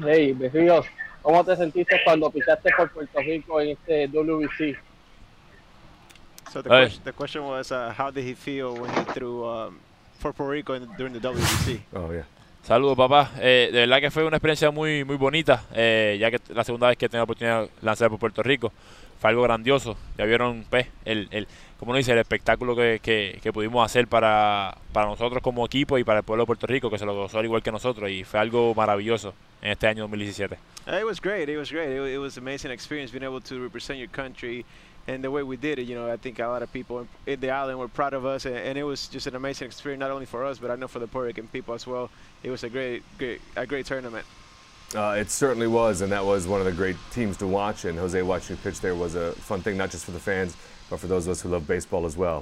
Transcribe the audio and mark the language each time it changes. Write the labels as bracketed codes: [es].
[es] Hey, Berrios, ¿cómo te sentiste cuando pichaste por Puerto Rico en este WBC? [en] So the question was, how did he feel when he threw for Puerto Rico during the WBC? Oh, yeah. [es] Saludos, papá. De verdad que fue una experiencia muy, muy bonita, ya que la segunda vez que tenía la oportunidad de lanzar por Puerto Rico. Fue algo grandioso. Ya vieron, pues, el como uno dice, el espectáculo que pudimos hacer para nosotros como equipo y para el pueblo de Puerto Rico, que se lo gozó al igual que nosotros. Y fue algo maravilloso en este año 2017. [en] It was great. It was great. It was an amazing experience being able to represent your country and the way we did it. You know, I think a lot of people in the island were proud of us. And it was just an amazing experience, not only for us, but I know for the Puerto Rican people as well. It was a great tournament. It certainly was, and that was one of the great teams to watch. And Jose watching pitch there was a fun thing, not just for the fans, but for those of us who love baseball as well.